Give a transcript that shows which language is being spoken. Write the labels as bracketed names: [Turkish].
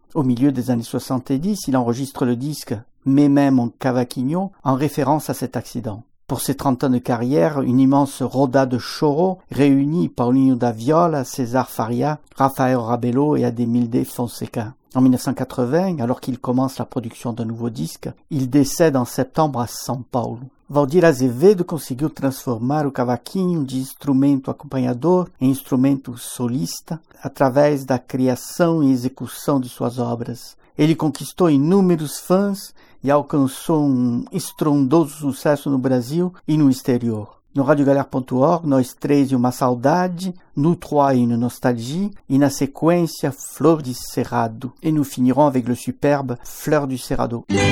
[French] Au milieu des années 70, il enregistre le disque « Mes mains, mon cavaquinho » en référence à cet accident. Pour ses 30 ans de carrière, une immense roda de choro réunit Paulinho da Viola, César Faria, Rafael Rabello et Ademilde Fonseca. En 1980, alors qu'il commence la production d'un nouveau disque, il décède en septembre à São Paulo. [Portuguese] Valdir Azevedo conseguiu transformar o cavaquinho de instrumento acompanhador em instrumento solista através da criação e execução de suas obras. Ele conquistou inúmeros fãs e alcançou um estrondoso sucesso no Brasil e no exterior. No radiogalera.org, nós três e uma saudade, [French] nous trois et une nostalgie, [Portuguese] e na sequência, Flor de Cerrado. [French] E nous finirons avec le superbe Fleur du Cerrado.